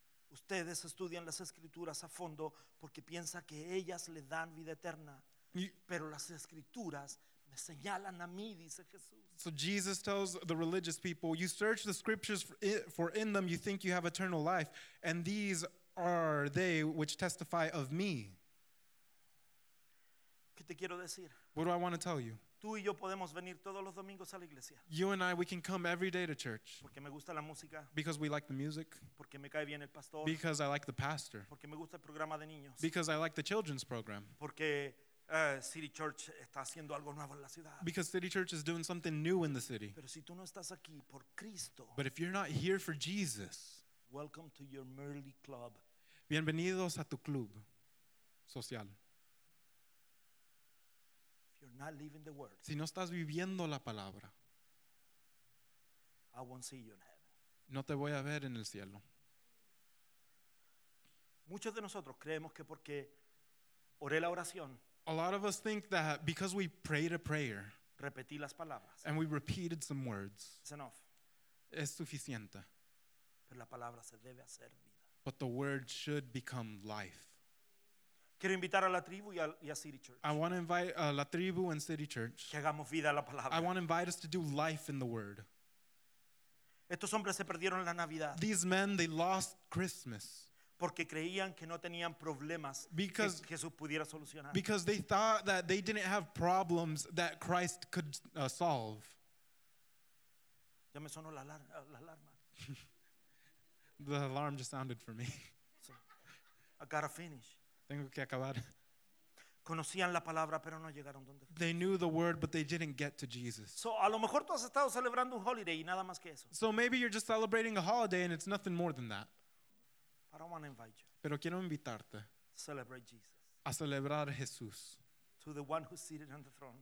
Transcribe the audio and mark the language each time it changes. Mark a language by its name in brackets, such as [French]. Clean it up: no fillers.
[Spanish] Ustedes estudian las escrituras a fondo porque piensa que ellas le dan vida eterna. Pero las escrituras me señalan a mí, dice Jesús. [English] So Jesus tells the religious people, you search the scriptures for in them you think you have eternal life, and these are they which testify of me. [Spanish] ¿Qué te quiero decir? [English] What do I want to tell you? [Spanish] Tú y yo podemos venir todos los domingos a la iglesia. [English] You and I, we can come every day to church. [Spanish] Porque me gusta la música. [English] Because we like the music. [Spanish] Porque me cae bien el pastor. [English] Because I like the pastor. [Spanish] Porque me gusta el programa de niños. [English] Because I like the children's program. [Spanish] Porque City Church está haciendo algo nuevo en la ciudad. [English] Because City Church is doing something new in the city. [Spanish] Pero si tú no estás aquí por Cristo. [English] But if you're not here for Jesus. Welcome to your merly club. [Spanish] Bienvenidos a tu club social. [English] You're not living the word. [Spanish] Si no estás viviendo la palabra, [English] I won't see you in heaven. [Spanish] No te voy a ver en el cielo. Muchos de nosotros creemos que porque oré la oración, [English] a lot of us think that because we prayed a prayer, [Spanish] repetí las palabras, [English] and we repeated some words, it's enough. [Spanish] Es suficiente. Pero la palabra se debe hacer vida. [English] But the word should become life. [Spanish] Quiero invitar a la tribu y a City Church. [English] I want to invite la tribu and City Church. [Spanish] Que hagamos vida a la palabra. [English] I want to invite us to do life in the word. [Spanish] Estos hombres se perdieron la Navidad. [English] These men, they lost Christmas. [Spanish] Porque creían que no tenían problemas [English] because, [Spanish] que Jesús pudiera solucionar. [English] Because they thought that they didn't have problems that Christ could solve. [Spanish] Ya me sonó la alarma. [English] The alarm just sounded for me. So, I gotta finish. [Spanish] Tengo que acabar. Conocían la palabra, pero no llegaron donde. [English] They knew the word, but they didn't get to Jesus. [Spanish] So, a lo mejor tú has estado celebrando un holiday y nada más que eso. [English] So maybe you're just celebrating a holiday and it's nothing more than that. I don't want to invite you. [Spanish] Pero quiero invitarte. [English] Celebrate Jesus. [Spanish] A celebrar Jesús. [English] To the one who's seated on the throne.